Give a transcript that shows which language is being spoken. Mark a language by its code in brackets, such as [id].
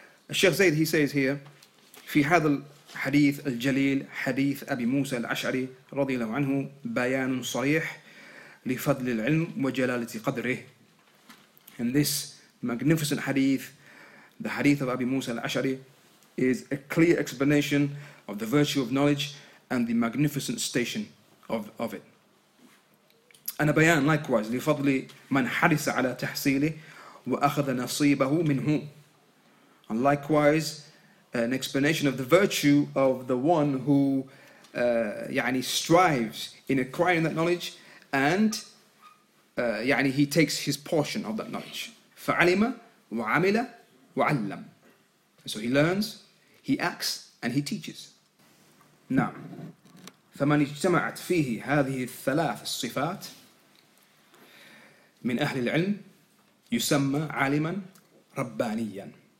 [en] Sheikh Zayd, he says here, [ar] في هذا الحديث الجليل حديث أبي موسى الأشعري رضي الله عنه بيان صريح لفضل العلم وجلالة قدره. [en] In this magnificent hadith, the hadith of Abi Musa al-Ash'ari, is a clear explanation of the virtue of knowledge and the magnificent station of it. [ar] أنا بيان likewise لفضل من حرص على تحصيله وأخذ نصيبه منه. [en] And likewise, an explanation of the virtue of the one who يعني strives in acquiring that knowledge and يعني he takes his portion of that knowledge. [ar] فعلم وعمل وعلم. [en] So he learns, he acts, and he teaches. [ar] نعم. فمن اجتمعت فيه هذه الثلاث الصفات من أهل العلم يسمى عالما ربانيا.